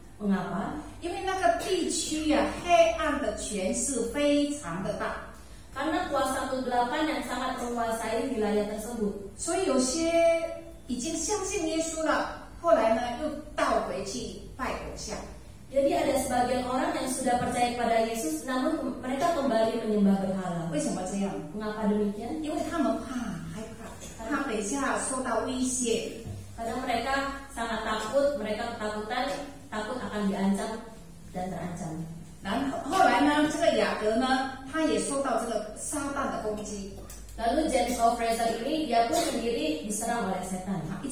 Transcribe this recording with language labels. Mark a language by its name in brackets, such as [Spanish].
[Indonesian] Mengapa? [Chinese] 因为那个地区呀，黑暗的权势非常的大。 [Indonesian] Karena kuasa kegelapan yang sangat menguasai wilayah tersebut. [Chinese] 所以有些已经相信耶稣了，后来呢又倒回去拜偶像。 [Indonesian] Jadi ada sebagian orang yang sudah percaya pada Yesus, namun mereka kembali menyembah berhala. [Chinese] 为什么这样? [Indonesian] Mengapa demikian? [Chinese] 因为他们怕害怕，怕等一下受到威胁。 [Indonesian] Karena mereka sangat takut, mereka ketakutan. Takut akan diancam dan terancam. [Chinese] 然后后来呢，这个雅各呢，他也受到这个撒旦的攻击。 [Indonesian] Lalu James Hofreiser ini dia pun sendiri diserang oleh setan.